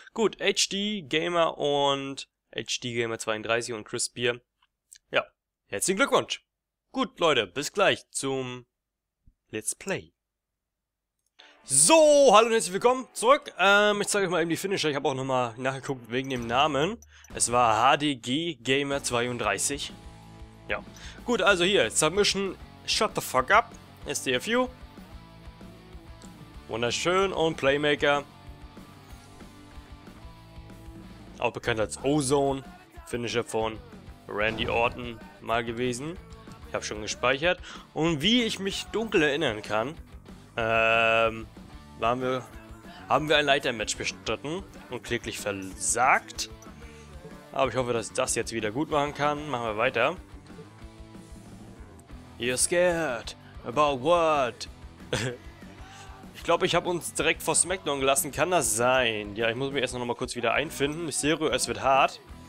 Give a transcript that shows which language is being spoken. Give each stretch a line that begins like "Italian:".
German: Gut, HD Gamer und HD Gamer 32 und Chris Beer. Ja, herzlichen Glückwunsch. Gut, Leute, bis gleich zum Let's Play. So, hallo und herzlich willkommen zurück. Ich zeige euch mal eben die Finisher. Ich habe auch nochmal nachgeguckt wegen dem Namen. Es war HDG Gamer 32. Ja. Gut, also hier, Submission, Shut the Fuck Up, STFU. Wunderschön und Playmaker. Auch bekannt als Ozone. Finisher von Randy Orton mal gewesen. Ich habe schon gespeichert. Und wie ich mich dunkel erinnern kann, haben wir ein Leitermatch bestritten und kläglich versagt. Aber ich hoffe, dass ich das jetzt wieder gut machen kann. Machen wir weiter.
English: You're scared about what?
German: Ich glaube, ich habe uns direkt vor SmackDown gelassen. Kann das sein? Ja, ich muss mich erst noch mal kurz wieder einfinden. Mysterio, es wird hart.